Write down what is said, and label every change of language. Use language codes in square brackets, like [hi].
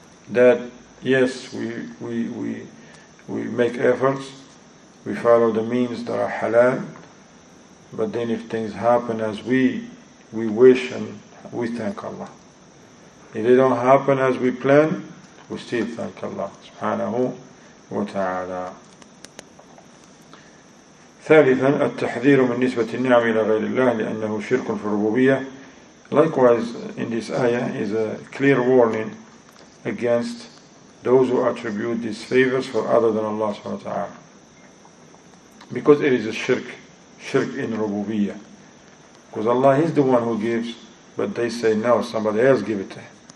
[en] that yes, we make efforts, we follow the means that are halal, but then if things happen as we wish, and we thank Allah. If they don't happen as we plan, we still thank Allah subhanahu wa ta'ala. [ar] ثالثا التحذير من نسبة النعم إلى غير الله لأنه شرك في الربوبية. [en] Likewise, in this ayah is a clear warning against those who attribute these favors for other than Allah subhanahu wa ta'ala, because it is a shirk, shirk in rububiyyah. Because Allah is the one who gives, but they say no, somebody else give it to him.